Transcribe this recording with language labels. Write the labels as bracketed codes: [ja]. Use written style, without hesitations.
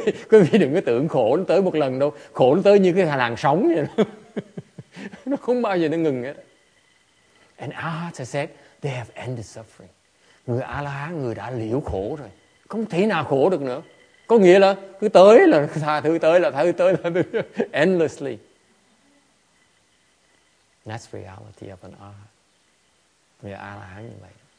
[vi] Quý vị đừng có tưởng khổ nó tới một lần đâu. Khổ nó tới như cái làn sóng vậy. Nó không bao giờ nó ngừng hết. [en] And Arhats have said they have ended suffering. [vi] Người A-la-hán, người đã liễu khổ rồi, không thể nào khổ được nữa. Có nghĩa là cứ tới là tha thứ, tới là tha thứ, tới là endlessly. [en] That's reality of an Arhat. [vi] Người A-la-hán như vậy.